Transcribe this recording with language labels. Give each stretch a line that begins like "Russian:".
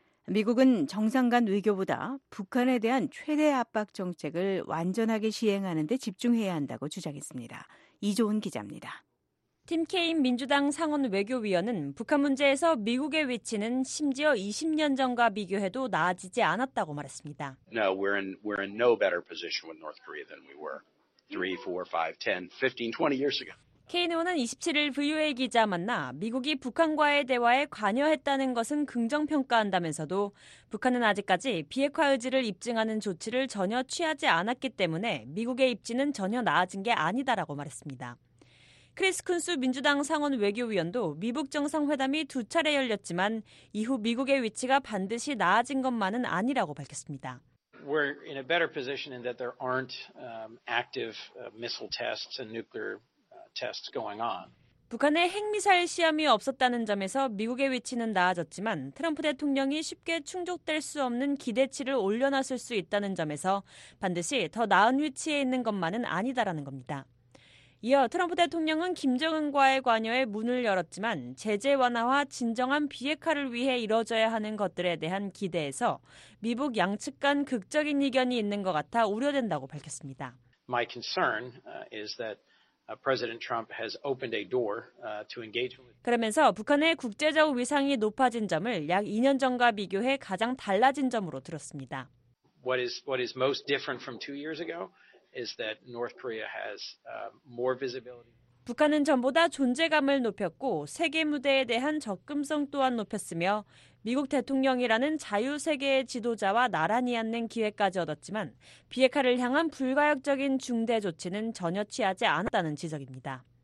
Korean: 미국은 정상 간 외교보다 북한에 대한 최대 압박 정책을 완전하게 시행하는 데 집중해야 한다고 주장했습니다. 이조은 기자입니다. 팀 케인 민주당 상원 외교위원은 북한 문제에서 미국의 위치는 심지어 20년 전과 비교해도 나아지지 않았다고 말했습니다.
English: No, we're in no better position with North Korea than we were 3, 4, 5, 10, 15, 20 years ago.
Korean: 케인 의원은 27일 VOA 기자 만나 미국이 북한과의 대화에 관여했다는 것은 긍정평가한다면서도 북한은 아직까지 비핵화 의지를 입증하는 조치를 전혀 취하지 않았기 때문에 미국의 입지는 전혀 나아진 게 아니다라고 말했습니다. 크리스 쿤스 민주당 상원 외교위원도 미북 정상회담이 두 차례 열렸지만 이후 미국의 위치가 반드시 나아진 것만은 아니라고 밝혔습니다.
English: We're in a better position in that there aren't active missile tests and nuclear tests going on.
Korean: 북한의 핵미사일 시험이 없었다는 점에서 미국의 위치는 나아졌지만 트럼프 대통령이 쉽게 충족될 수 없는 기대치를 올려놨을 수 있다는 점에서 반드시 더 나은 위치에 있는 것만은 아니다라는 겁니다. 이어 트럼프 대통령은 김정은과의 관여에 문을 열었지만 제재 완화와 진정한 비핵화를 위해 이뤄져야 하는 것들에 대한 기대에서 미북 양측 간 극적인 이견이 있는 것 같아 우려된다고 밝혔습니다.
English: My concern is that President Trump has opened a door to engage.
Korean: 그러면서 북한의 국제적 위상이 높아진 점을 약 2년 전과 비교해 가장 달라진 점으로 들었습니다.
English: What is most different from two years ago is that North Korea has more visibility.
Korean: 북한은 전보다 존재감을 높였고 세계 무대에 대한 접근성 또한 높였으며 미국 대통령이라는 자유 세계의 지도자와 나란히 앉는 기회까지 얻었지만 비핵화를 향한 불가역적인 중대 조치는 전혀 취하지 않았다는 지적입니다.